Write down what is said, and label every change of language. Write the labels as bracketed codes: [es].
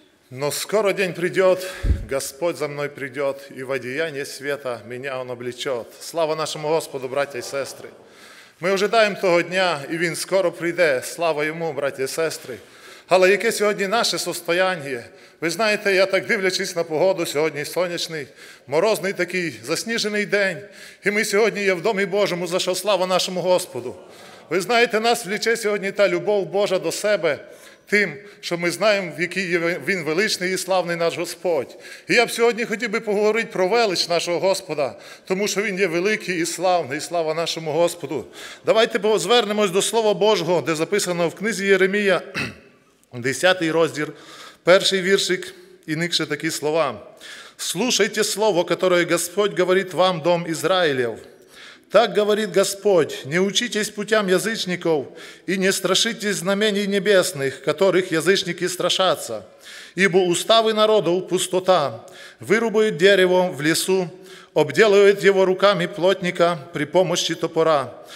[ru] Но скоро день придет, Господь за мной придет, и в одеянии света меня Он облечет. Слава нашему Господу, братья и сестры! [uk] Ми ожидаємо того дня, і він скоро прийде. Слава йому, браті і сестри. Але яке сьогодні наше состояння? Ви знаєте, я так дивлячись на погоду, сьогодні сонячний, морозний такий, засніжений день. І ми сьогодні є в Домі Божому, за що слава нашому Господу. Ви знаєте, нас влече сьогодні та любов Божа до себе тим, що ми знаємо, в який він величний і славний наш Господь. І я б сьогодні хотів би поговорити про велич нашого Господа, тому що він є великий і славний, і слава нашому Господу. Давайте звернемось до Слова Божого, де записано в книзі Єремія, 10 розділ, 1 віршик, і нікше такі слова. [ru] «Слушайте Слово, которое Господь говорит вам, дом Израилев». Так говорит Господь, не учитесь путям язычников и не страшитесь знамений небесных, которых язычники страшатся. Ибо уставы народов – пустота. Вырубают дерево в лесу, обделывают его руками плотника при помощи топора.